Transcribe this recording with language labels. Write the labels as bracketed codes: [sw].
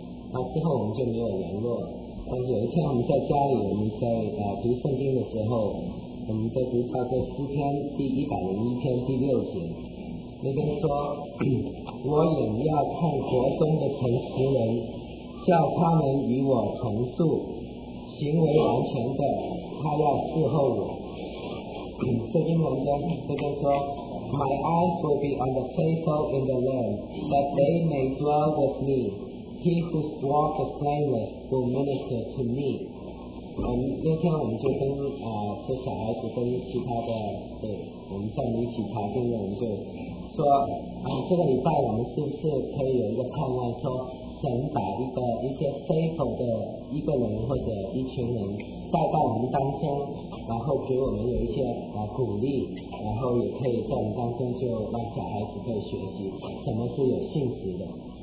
[zh] 那之后我们就没有联络，但是有一天我们在家里，我们在读圣经的时候，我们在读到这诗篇第101篇第六节，那边说：“我眼要看国中的诚实人，叫他们与我同住，行为完全的，他要伺候我。” 这边文章这边说 [en] ，My eyes will be on the faithful in the land, that they may dwell with me. He who walks the plainness will minister to me. [zh] 那天我们就跟这小孩子跟其他的，对，我们在一起查经的，我们就说，这个礼拜我们是不是可以有一个盼望，说神把一些 faithful 的一个人或者一群人带到我们当中，然后给我们有一些鼓励，然后也可以在我们当中就让小孩子可以学习什么是有信实的。